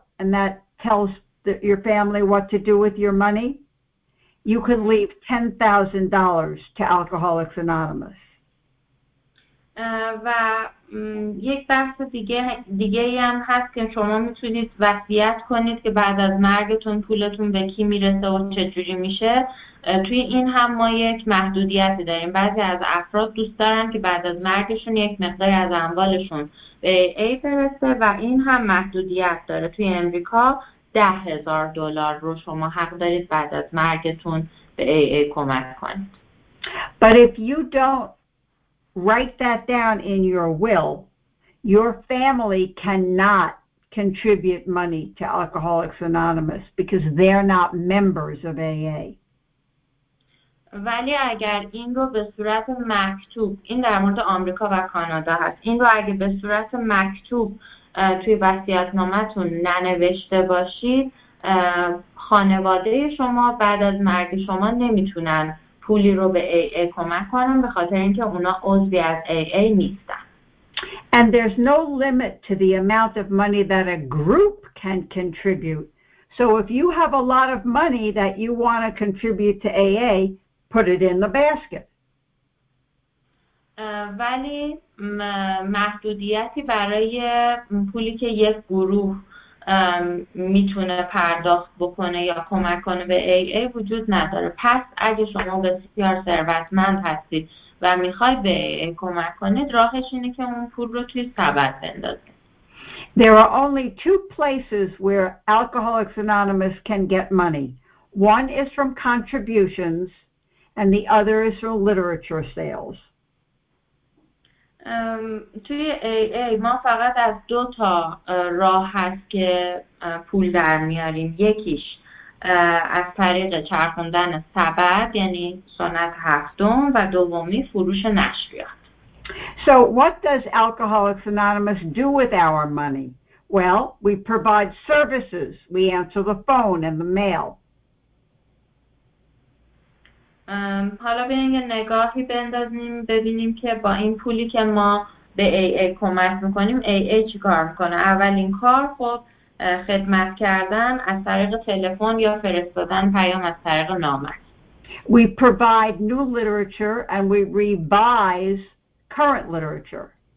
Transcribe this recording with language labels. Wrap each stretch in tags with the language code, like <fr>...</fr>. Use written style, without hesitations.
<en>and that tells your family what to do with your money, you could leave $10,000 to Alcoholics Anonymous.</en> <fa>و یک بحث دیگه هم هست که شما میتونید وصیت کنید که بعد از مرگتون پولتون به کی میرسه و چجوری میشه. توی این هم ما یک محدودیتی داریم. بعضی از افراد دوست دارن که بعد از مرگشون یک مقدار از اموالشون به ای برسه و این هم محدودیت داره. توی امریکا $10,000 رو شما حق دارید بعد از مرگتون به ای ای کمک کنید.</fa> <en>But if you don't write that down in your will, your family cannot contribute money to Alcoholics Anonymous because they're not members of AA.</en> <fa>ولی اگر این رو به صورت مکتوب، این در مورد آمریکا و کانادا هست، این رو اگر به صورت مکتوب توی وصیت‌نامه‌تون ننوشته باشید، خانواده شما بعد از مرگ شما نمیتونن پولی رو به AA کمک کنن به خاطر اینکه اونا عضوی از AA نیستن.</fa> <en>And there's no limit to the amount of money that a group can contribute. So if you have a lot of money that you want to contribute to AA, put it in the basket.</en> <fa>ولی محدودیتی برای پولی که یک گروه میتونه پرداخت بکنه یا کمک کنه به AA وجود نداره. پس اگه شما بسیار ثروتمند هستید و میخواید به AA کمک کنید، راهش اینه که اون پول رو توی سبد بندازید.</fa> <en>There are only two places where Alcoholics Anonymous can get money. One is from contributions and the other is from literature sales.</en> <fa>توی AA ما فقط از دو تا راه هست که پول در میاریم. یکیش از طریق چرخوندن سبد یعنی سنت هفتم و دومی فروش نشریات.</fa> <en>So what does Alcoholics Anonymous do with our money? Well, we provide services. We answer the phone and the mail.</en> <fa>حالا بیاین یه نگاهی بندازیم ببینیم که با این پولی که ما به AA کمک میکنیم AA چی کار میکنه. اولین کار خب خدمت کردن از طریق تلفن یا فرستادن پیام از طریق نامه.</fa> <en>We provide new literature and we revise current literature.</en>